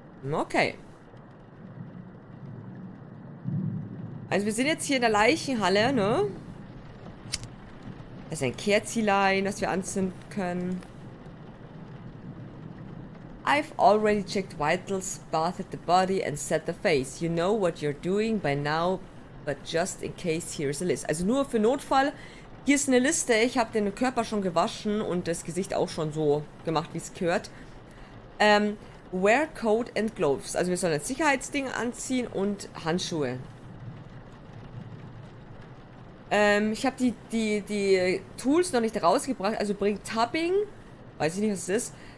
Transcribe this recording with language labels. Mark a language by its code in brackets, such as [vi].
[de] Okay. Also wir sind jetzt hier in der Leichenhalle, ne? Das ist ein Kerzilein, das wir anzünden können. [en] I've already checked vitals, bathed the body and set the face. You know what you're doing by now, but just in case, here is a list. [de] Also nur für Notfall, hier ist eine Liste. Ich habe den Körper schon gewaschen und das Gesicht auch schon so gemacht, wie es gehört. [en] Wear coat and gloves. [de] Also wir sollen ein Sicherheitsding anziehen und Handschuhe. Ich habe die Tools noch nicht rausgebracht. Also bringt Tubbing. Weiß ich nicht, was es ist.